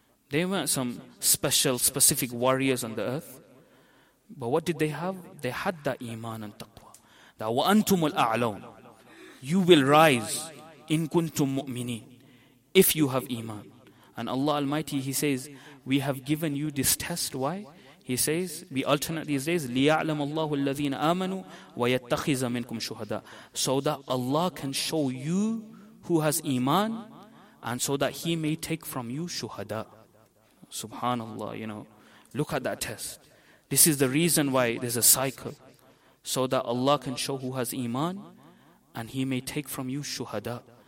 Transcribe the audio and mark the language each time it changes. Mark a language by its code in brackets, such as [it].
[en] They weren't some special, specific warriors on the earth. But what did they have? They had that iman and taqwa. That wa antumul a'lawn. You will rise in kuntum mu'mineen. If you have iman. And Allah Almighty, He says, we have given you this test. Why? He says, we alternate these days, [ar] لِيَعْلَمَ اللَّهُ الَّذِينَ آمَنُوا وَيَتَّخِذَ مِنْكُمْ شُهَدَى. [en] So that Allah can show you who has iman, and so that He may take from you shuhada. Subhanallah, you know. Look at that test. This is the reason why there's a cycle. So that Allah can show who has iman, and He may take from you shuhada.